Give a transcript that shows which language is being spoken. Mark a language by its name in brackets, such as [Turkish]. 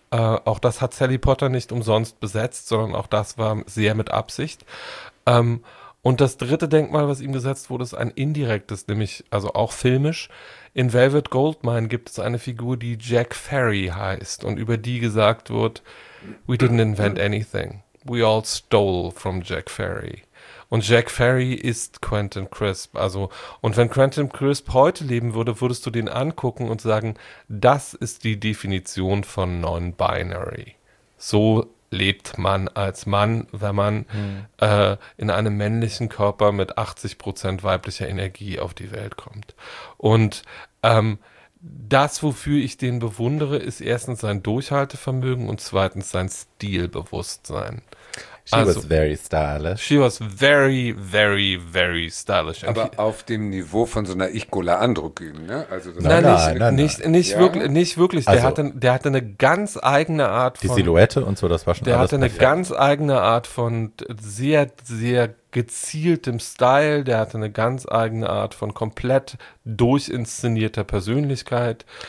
[German] Auch das hat Sally Potter nicht umsonst besetzt, sondern auch das war sehr mit Absicht. Und das dritte Denkmal, was ihm gesetzt wurde, ist ein indirektes, nämlich also auch filmisch. In Velvet Goldmine gibt es eine Figur, die Jack Ferry heißt und über die gesagt wird, [English] we didn't invent anything. We all stole from Jack Ferry. [German] Und Jack Ferry ist Quentin Crisp. Also, und wenn Quentin Crisp heute leben würde, würdest du den angucken und sagen, das ist die Definition von Non-Binary. So lebt man als Mann, wenn man in einem männlichen Körper mit 80% weiblicher Energie auf die Welt kommt. Und das, wofür ich den bewundere, ist erstens sein Durchhaltevermögen und zweitens sein Stilbewusstsein. [English] Was very stylish. She was very, very, very stylish. [German] Aber auf dem Niveau von so einer Ich-Gola Androgyn, ne? Also nein, nicht wirklich. Also, der hatte eine ganz eigene Art von. Die Silhouette und so, das war schon der alles. Der hatte eine ganz eigene Art von sehr, sehr gezieltem Style. Der hatte eine ganz eigene Art von komplett durchinszenierter Persönlichkeit.